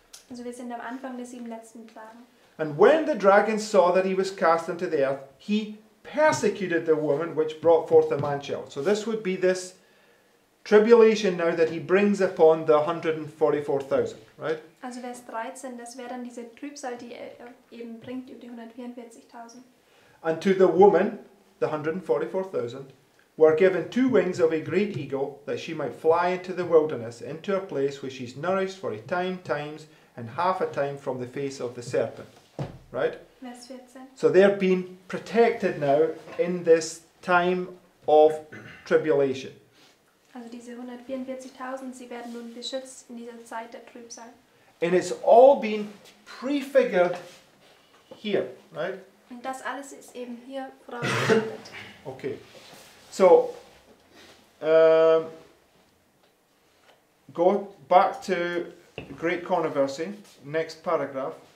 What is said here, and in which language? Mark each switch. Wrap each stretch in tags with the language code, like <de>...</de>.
<de>Also wir sind am Anfang der sieben letzten Plagen.</de> <en>And when the dragon saw that he was cast into the earth, he persecuted the woman which brought forth the man-child. So this would be this tribulation now that he brings upon the 144,000, right?</en> <de>Also Vers 13, das wäre dann diese Trübsal, die er eben bringt über die 144,000.</de> <en>And to the woman, the 144,000, were given two wings of a great eagle, that she might fly into the wilderness, into a place where she's nourished for a time, times, and half a time from the face of the serpent, right? So they're being protected now in this time of tribulation.</en> <de>Also diese 144,000, sie werden nun beschützt in dieser Zeit der Trübsal.</de> <en>And it's all been prefigured here, right?</en> <de>Und das alles ist eben hier vorausgesagt.</de> <en>Okay. So, go back to Great Controversy, next paragraph.</en>